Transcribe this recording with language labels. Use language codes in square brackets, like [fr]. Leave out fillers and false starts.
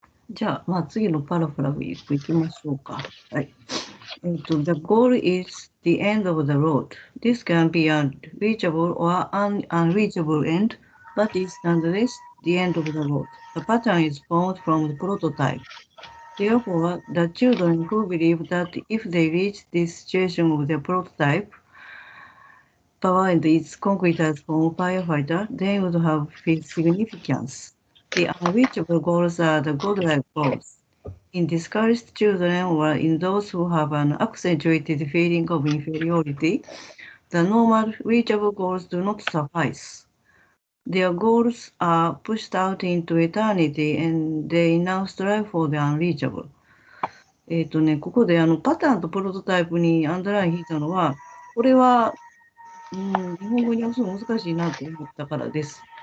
[ja] じゃあ、まあ、次のパラフラグ行きましょうか。はい。 [en] The goal is the end of the road. This can be a reachable or an unreachable end, but is nonetheless the end of the road. The pattern is formed from the prototype. Therefore, the children who believe that if they reach this situation of their prototype, power and its concrete as form of firefighter, they would have its significance. The unreachable goals are the godlike goals. In discouraged children or in those who have an accentuated feeling of inferiority, the normal reachable goals do not suffice. Their goals are pushed out into eternity and they now strive for the unreachable. [ja] ここでパターンとプロトタイプにアンダーライン引いたのは、これは、日本語に訳すの難しいなと思ったからです。